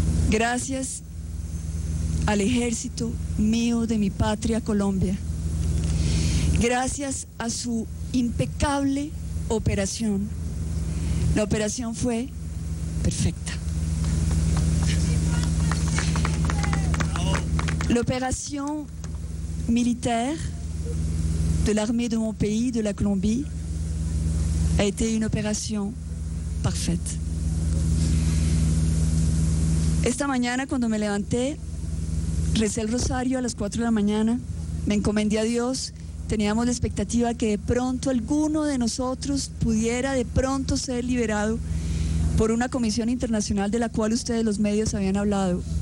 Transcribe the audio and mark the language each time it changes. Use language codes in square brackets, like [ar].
[es] Gracias al ejército mío de mi patria, Colombia. Gracias a su impecable operación. La operación fue perfecta. [fr] L'opération militaire de l'armée de mon pays, de la Colombie, a été une opération parfaite. [es] Esta mañana, cuando me levanté, recé el rosario a las 4 de la mañana, me encomendé a Dios. Teníamos la expectativa que de pronto alguno de nosotros pudiera de pronto ser liberado por una comisión internacional de la cual ustedes, los medios, habían hablado.